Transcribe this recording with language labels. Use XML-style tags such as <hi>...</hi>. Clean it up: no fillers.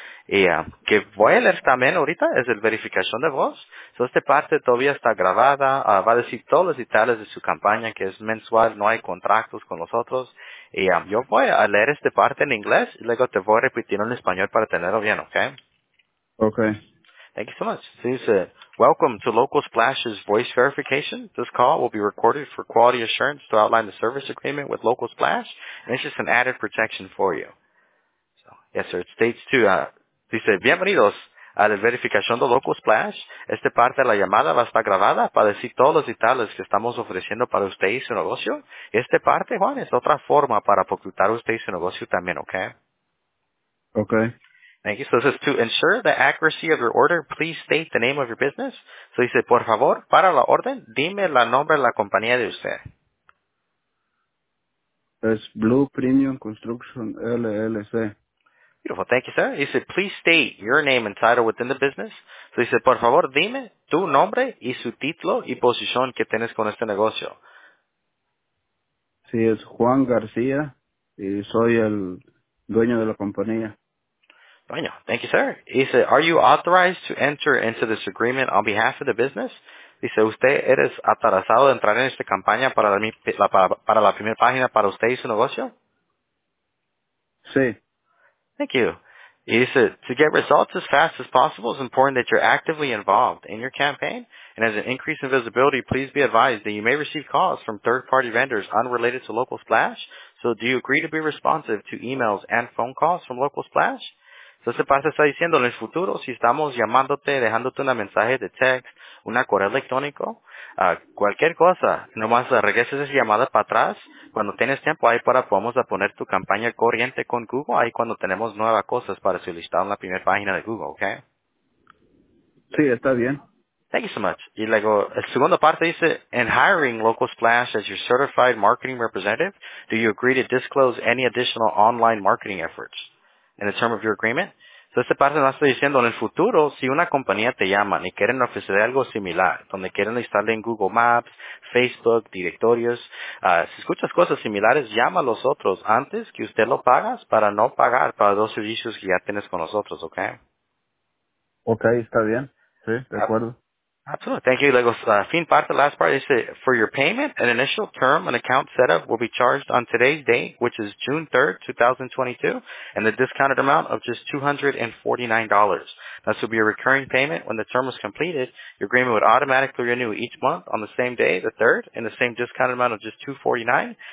<es>Y que voy a leer también ahorita es el verificación de voz. So, esta parte todavía está grabada. Va a decir todos los detalles de su campaña que es mensual, no hay contratos con nosotros. Y yo voy a leer esta parte en inglés y luego te voy a repetir en español para tenerlo bien, ¿ok? Ok.</es> <en>Thank you so much. So you said, welcome to Local Splash's voice verification. This call will be recorded for quality assurance to outline the service agreement with Local Splash. And it's just an added protection for you. So, yes, sir. It states to,</en> <es>dice, bienvenidos a la verificación de Local Splash. Esta parte de la llamada va a estar grabada para decir todos los detalles que estamos ofreciendo para usted y su negocio. Esta parte, Juan, es otra forma para ocultar usted y su negocio también, ¿ok? Ok.</es> <en>Thank you. So this is to ensure the accuracy of your order, please state the name of your business. So he said,</en> <es>por favor, para la orden, dime la nombre de la compañía de usted.</es> <en>It's Blue Premium Construction LLC. Beautiful. Thank you, sir. He said, please state your name and title within the business. So he said,</en> <es>por favor, dime tu nombre y su título y posición que tienes con este negocio. Sí, es Juan García y soy el dueño de la compañía.</es> <en>Dueño. Thank you, sir. He said, are you authorized to enter into this agreement on behalf of the business?</en> <es>Dice, ¿usted eres autorizado de entrar en esta campaña para la primera página para usted y su negocio? Sí.</es> <en>Thank you. He said, to get results as fast as possible, it's important that you're actively involved in your campaign. And as an increase in visibility, please be advised that you may receive calls from third-party vendors unrelated to Local Splash. So do you agree to be responsive to emails and phone calls from Local Splash?</en> <es>Entonces, parece estar diciendo, en el futuro, si estamos llamándote, dejándote un mensaje de text, una correo electrónico, cualquier cosa, nomás regreses esa llamada para atrás, cuando tienes tiempo ahí para podamos poner tu campaña corriente con Google, ahí cuando tenemos nuevas cosas para su listado en la primera página de Google, ¿ok? Sí, está bien.</es> <en>Thank you so much.</en> <es>Y luego, la segunda parte dice,</es> <en>in hiring Local Splash as your certified marketing representative, do you agree to disclose any additional online marketing efforts? In the term of your agreement.</en> <es>So, esta parte nos está diciendo, en el futuro, si una compañía te llama y quieren ofrecer algo similar, donde quieren instalar en Google Maps, Facebook, directorios, si escuchas cosas similares, llama a los otros antes que usted lo pagas para no pagar para dos servicios que ya tienes con nosotros, ¿ok? Ok, está bien. Sí, de acuerdo.</es> <en>Absolutely. Thank you.</en> <es>Luego, fin parte,</es> <en>last part,</en> <es>dice,</es> <en>for your payment, an initial term and account setup will be charged on today's date, which is June 3rd, 2022, and the discounted amount of just $249. This will be a recurring payment. When the term is completed, your agreement would automatically renew each month on the same day, the 3rd, and the same discounted amount of just $249.</en>